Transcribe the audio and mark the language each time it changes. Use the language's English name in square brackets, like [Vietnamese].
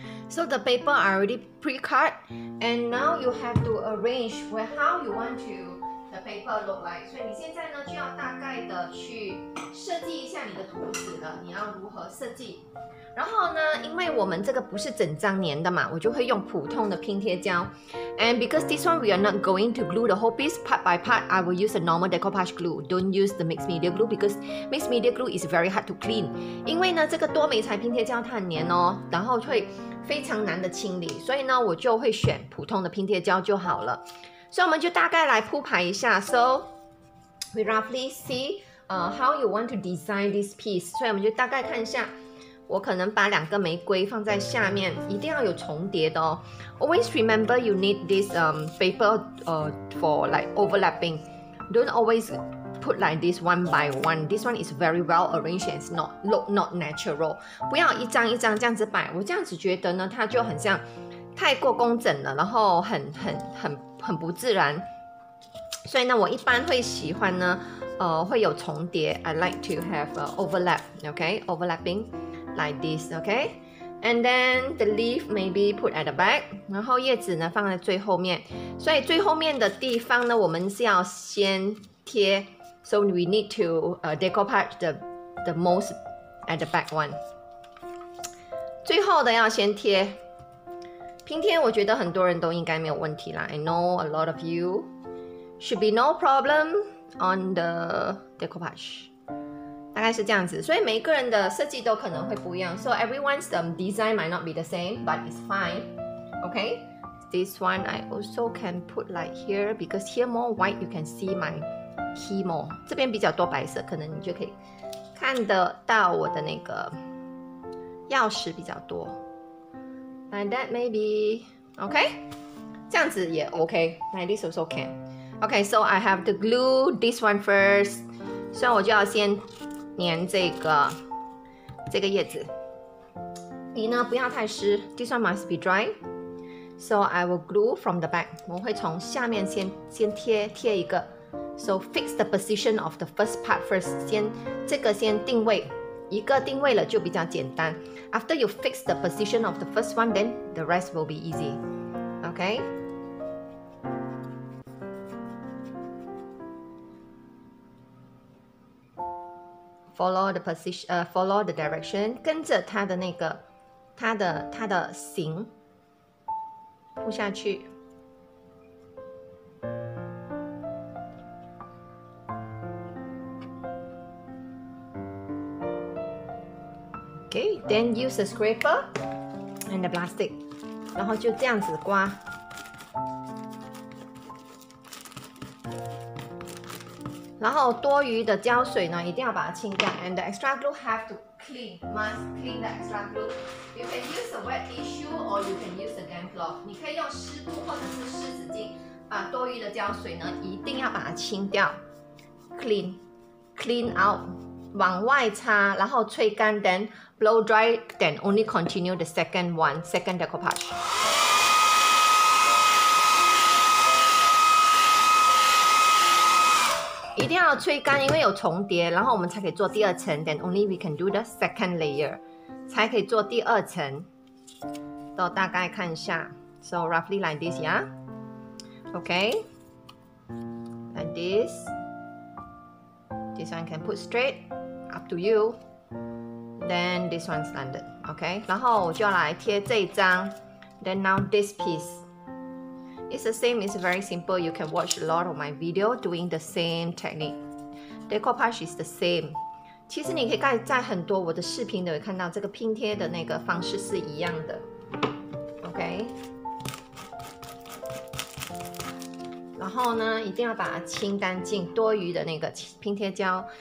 [English] So the paper I already pre-cut, and now you have to arrange where how you want to the paper look like. [Chinese] 所以你现在呢就要大概的去设计一下你的图纸了，你要如何设计？然后呢，因为我们这个不是整张粘的嘛，我就会用普通的拼贴胶。 [English] And because this one we are not going to glue the whole piece part by part, I will use a normal decoupage glue. Don't use the mixed media glue because mixed media glue is very hard to clean. [Chinese] 因为呢，这个多媒材拼贴胶它很粘哦，然后会非常难的清理，所以呢，我就会选普通的拼贴胶就好了。所以我们就大概来铺排一下。 [English] So we roughly see how you want to design this piece. [Chinese] 所以我们就大概看一下。我可能把两个玫瑰放在下面，一定要有重叠的哦。 [English] Always remember you need this paper for like overlapping. Don't always put like this one by one. This one is very well arranged and not natural. [Chinese] 不要一张一张这样子摆，我这样子觉得呢，它就很像太过工整了，然后很不自然。所以呢，我一般会喜欢呢，会有重叠。 [English] I like to have overlap. Okay, overlapping. Like this, okay? And then the leaf maybe put at the back. [Chinese] 然后叶子呢放在最后面。所以最后面的地方呢，我们是要先贴。 [English] So we need to decoupage the most at the back one. [Chinese] 最后的要先贴。拼贴我觉得很多人都应该没有问题啦。 [English] I know a lot of you should be no problem on the decoupage. [Chinese] 大概是这样子，所以每一个人的设计都可能会不一样。 [English] So everyone's design might not be the same, but it's fine. Okay, this one I also can put like here because here more white, you can see my key more. [Chinese] 这边比较多白色，可能你就可以看得到我的那个钥匙比较多。 [English] Like that maybe, okay? [Chinese] 这样子也 [English] okay. Like this also can. Okay, so I have to glue this one first. [Chinese] 所以我就要先。粘这个叶子，笔呢不要太湿 ， [English] this one must be dry. So I will glue from the back. [Chinese] 我会从下面先贴一个。 [English] So fix the position of the first part first. [Chinese] 先这个先定位，一个定位了就比较简单。 [English] After you fix the position of the first one, then the rest will be easy. Okay. Follow the position, follow the direction, [Chinese] 跟着它的那个它的形铺下去。 [English] Okay, then use a scraper and the plastic, [Chinese] 然后就这样子刮。然后多余的胶水呢一定要把它清掉。 [English] And the extra glue have to clean, must clean the extra glue. You can use a wet tissue or you can use a damp cloth. [Chinese] 你可以用湿布或者是湿纸巾把多余的胶水呢一定要把它清掉。 [English] Clean, clean out, [Chinese] 往外擦，然后吹干， [English] then blow dry, then only continue the second one, second decoupage. [Chinese] 一定要吹干，因为有重叠，然后我们才可以做第二层。 [English] Then only we can do the second layer， [Chinese] 才可以做第二层。都大概看一下 [English] ，so roughly like this， yeah， okay， like this， this one can put straight， up to you， then this one standard， okay， [Chinese] 然后我就来贴这一张。 [English] Then now this piece。 It's the same, it's very simple. You can watch a lot of my video doing the same technique. Decoupage is the same. [Chinese] 其实你可以在很多我的视频都会看到这个拼贴的那个方式是一样的。 [English] OK. [Chinese] 然后呢一定要把它清干净多余的那个拼贴胶。